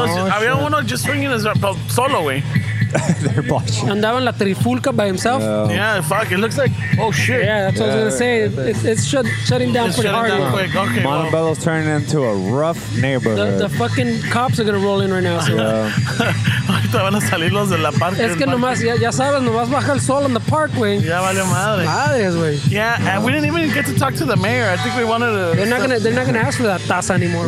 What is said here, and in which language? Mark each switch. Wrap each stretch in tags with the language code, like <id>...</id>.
<es>Había uno</es> <en>just swinging his solo, güey. They're botching.</en> <es>Andaba en la trifulca</es> <en>by himself. Yeah, fuck. It looks like. Oh, shit. Yeah, that's what I was going to say. It's shutting down pretty hard. Okay, Montebello's turning into a rough neighborhood. The fucking cops are going to roll in right now. So. Yeah.</en> <es>Ahorita van a salir los de la parque. Es que nomás, ya sabes, nomás baja el sol en</es> <en>the park,</en> <es>güey. Ya vale madre. Madres, güey.</es> <en>Yeah, and we didn't even get to talk to the mayor. I think we wanted to. They're not gonna ask for that taza anymore.</en>